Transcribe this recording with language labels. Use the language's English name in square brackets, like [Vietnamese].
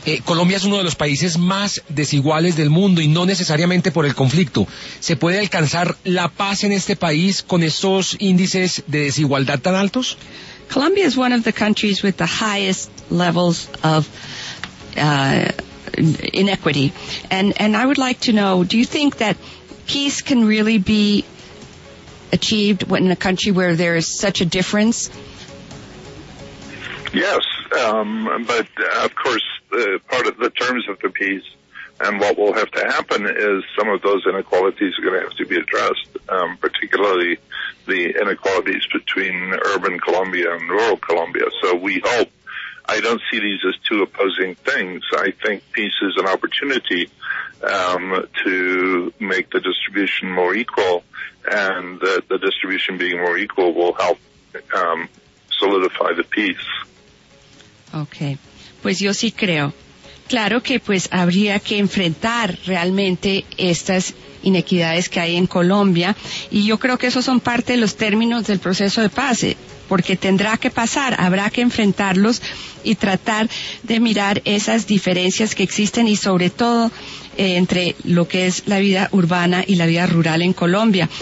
[Spanish] Colombia es uno de los países más desiguales del mundo y no necesariamente por el conflicto. ¿Se puede alcanzar la paz en este país con estos índices de desigualdad tan altos? [English] Colombia is one of the countries with the highest levels of inequity. And I would like to know, do you think that peace can really be achieved in a country where there is such a difference? Yes, but of course, part of the terms of the peace and what will have to happen is some of those inequalities are going to have to be addressed, particularly the inequalities between urban Colombia and rural Colombia. So we hope. I don't see these as two opposing things. I think peace is an opportunity to make the distribution more equal, and the distribution being more equal will help solidify the peace. [Spanish] Okay, pues yo sí creo. Claro que pues habría que enfrentar realmente estas inequidades que hay en Colombia y yo creo que esos son parte de los términos del proceso de paz, porque tendrá que pasar, habrá que enfrentarlos y tratar de mirar esas diferencias que existen y sobre todo entre lo que es la vida urbana y la vida rural en Colombia.